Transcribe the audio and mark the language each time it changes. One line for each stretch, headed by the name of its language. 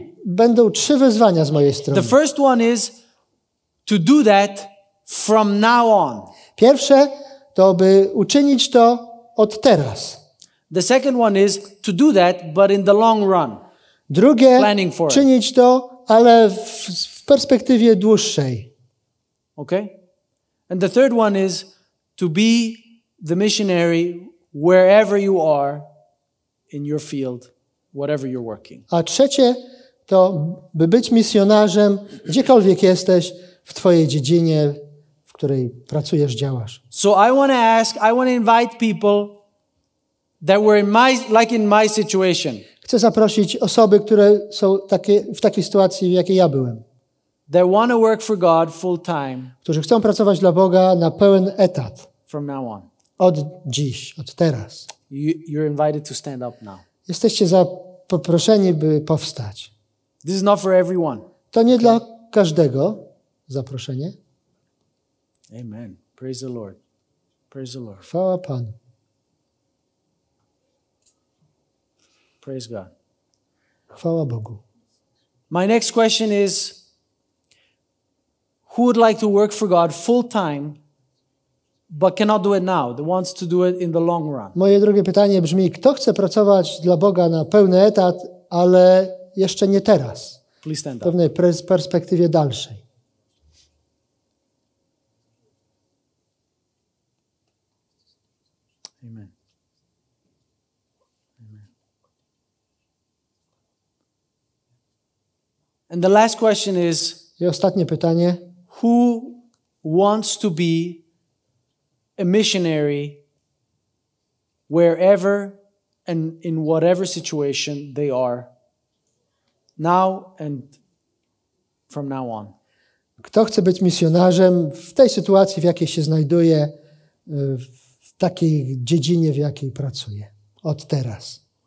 Polish: Będą trzy wyzwania z mojej strony.
English: The first one is to do that from now on.
Polish: Pierwsze to by uczynić to od teraz.
English: The second one is to do that but in the long run.
Polish: Drugie czynić to, ale w perspektywie dłuższej.
English: Okay? And the third one is to be the missionary wherever you are in your field, whatever you're working.
Polish: A trzecie to, by być misjonarzem, gdziekolwiek jesteś, w twojej dziedzinie, w której pracujesz, działasz.
English: So I want to ask, I want to invite people that were in my, like in my situation.
Polish: Chcę zaprosić osoby, które są takie, w takiej sytuacji, w jakiej ja byłem.
English: They want to work for God full time.
Polish: Którzy chcą pracować dla Boga na pełen etat.
English: From now on.
Polish: Od dziś, od teraz.
English: You're invited to stand up now.
Polish: Jesteście zaproszeni, by powstać.
English: This is not for everyone.
Polish: To nie dla każdego zaproszenie.
English: Amen. Praise the Lord. Praise the Lord.
Polish: Chwała Panu.
English: Praise God.
Polish: Chwała Bogu.
English: My next question is, who would like to work for God full time, but cannot do it now, that wants to do it in the long run?
Polish: Moje drugie pytanie brzmi, kto chce pracować dla Boga na pełny etat, ale jeszcze nie teraz, w pewnej perspektywie dalszej. Amen.
English: And the last question is,
Polish: i ostatnie pytanie.
English: Who wants to be a missionary wherever and in whatever situation they are now and from now on?
Polish: Kto chce być misjonarzem w tej sytuacji, w jakiej się znajduje, w takiej dziedzinie, w jakiej pracuje, od teraz?